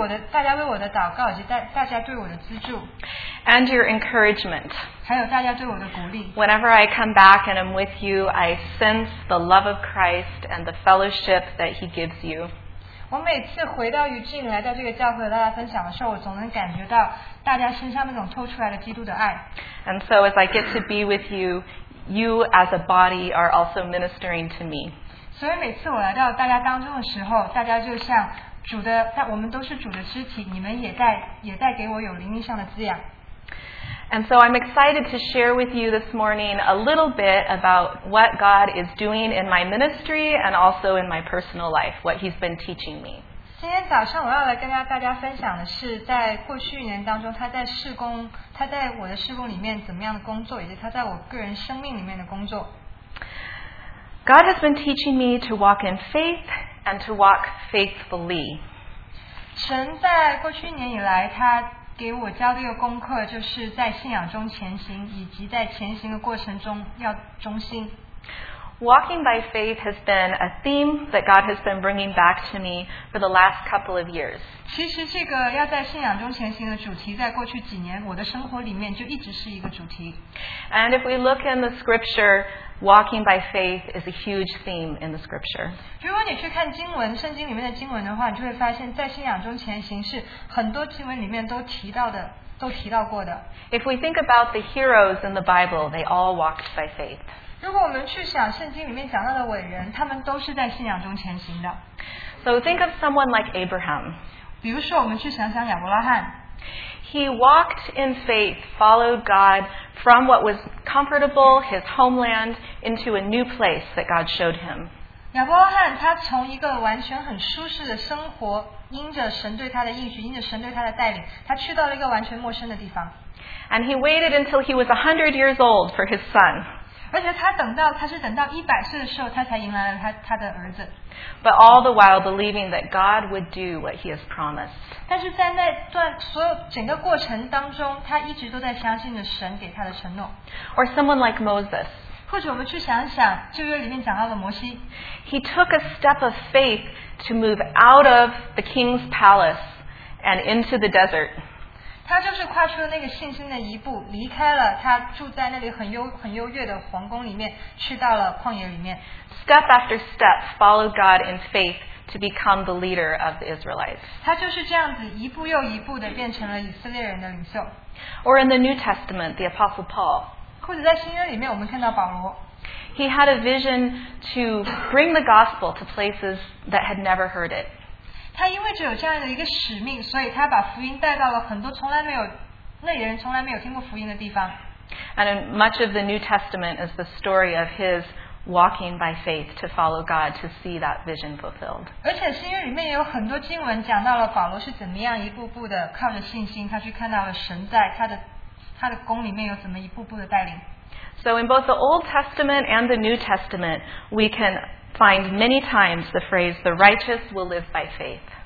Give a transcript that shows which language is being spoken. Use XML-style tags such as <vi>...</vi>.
<zh>大家为我的祷告以及大家对我的资助</zh> <en>and your encouragement.</en> <zh>还有大家对我的鼓励</zh> <en>Whenever I come back and I'm with you, I sense the love of Christ and the fellowship that He gives you.</en> <zh>我每次回到与进来到这个教会和大家分享的时候，我总能感觉到大家身上那种透出来的基督的爱</zh> <en>And so as I get to be with you, you as a body are also ministering to me.</en> <zh>所以每次我来到大家当中的时候，大家就像主的，但我们都是主的肢体，你们也在给我有灵命上的滋养。</zh> <en>And so I'm excited to share with you this morning a little bit about what God is doing in my ministry and also in my personal life, what He's been teaching me.</en> <zh>今天早上我要来跟大家分享的是，在过去一年当中，他在我的事工里面怎么样的工作，以及他在我个人生命里面的工作。</zh> <en>God has been teaching me to walk in faith. And to walk faithfully.</en> <zh>神在过去一年以来，他给我教的一个功课，就是在信仰中前行，以及在前行的过程中要忠心。</zh> <en>Walking by faith has been a theme that God has been bringing back to me for the last couple of years.</en> <zh>其实这个要在信仰中前行的主题，在过去几年我的生活里面就一直是一个主题。</zh> <en>And if we look in the scripture, walking by faith is a huge theme in the scripture.</en> <zh>如果你去看经文，圣经里面的经文的话，你就会发现，在信仰中前行是很多经文里面都提到的，都提到过的。</zh> <en>If we think about the heroes in the Bible, they all walked by faith.</en> <zh>如果我们去想圣经里面讲到的伟人，他们都是在信仰中前行的。</zh> <en>So think of someone like Abraham.</en> <zh>比如说我们去想想亚伯拉罕。</zh> <en>He walked in faith, followed God from what was comfortable, his homeland, into a new place that God showed him.</en> <zh>亚伯拉罕他从一个完全很舒适的生活，因着神对他的应许，因着神对他的带领，他去到了一个完全陌生的地方。</zh> <en>And he waited until he was 100 years old for his son.</en> <zh>而且他是等到一百岁的时候，他才迎来了他的儿子。</zh> <en>But all the while believing that God would do what He has promised.</en> <zh>但是在那段所有整个过程当中，他一直都在相信着神给他的承诺。</zh> <en>Or someone like Moses.</en> <zh>或者我们去想想旧约里面讲到的摩西。</zh> <en>He took a step of faith to move out of the king's palace and into the desert.</en> <zh>他就是跨出了那个信心的一步，离开了他住在那里很优越的皇宫里面，去到了旷野里面。</zh> <en>Step after step, follow God in faith to become the leader of the Israelites.</en> <zh>他就是这样子一步又一步的变成了以色列人的领袖。</zh> <en>Or in the New Testament, the Apostle Paul.</en> <zh>或者在新约里面，我们看到保罗。</zh> <en>He had a vision to bring the gospel to places that had never heard it.</en> <zh>他因为只有这样的一个使命，所以他把福音带到了很多从来没有那些人从来没有听过福音的地方。</zh> <en>And much of the New Testament is the story of his walking by faith to follow God to see that vision fulfilled.</en> <zh>而且新约里面也有很多经文讲到了保罗是怎么样一步步的靠着信心，他去看到了神在他的宫里面有怎么一步步的带领。</zh> <en>So in both the Old Testament and the New Testament, we can. Find many times the phrase "the righteous will live by faith."</en>